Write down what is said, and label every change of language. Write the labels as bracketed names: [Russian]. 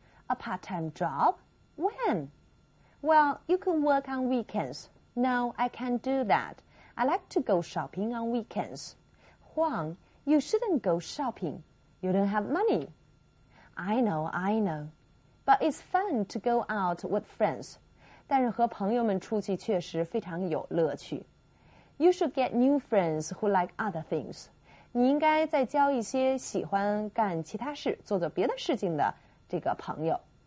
[English] A part-time job? When? Well, you can work on weekends. No, I can't do that. I like to go shopping on weekends. Huang, you shouldn't go shopping. You don't have money. I know. But it's fun to go out with friends. [Chinese] 但是和朋友们出去确实非常有乐趣。 [English] You should get new friends who like other things. [Chinese] 你应该再交一些喜欢干其他事、做做别的事情的这个朋友。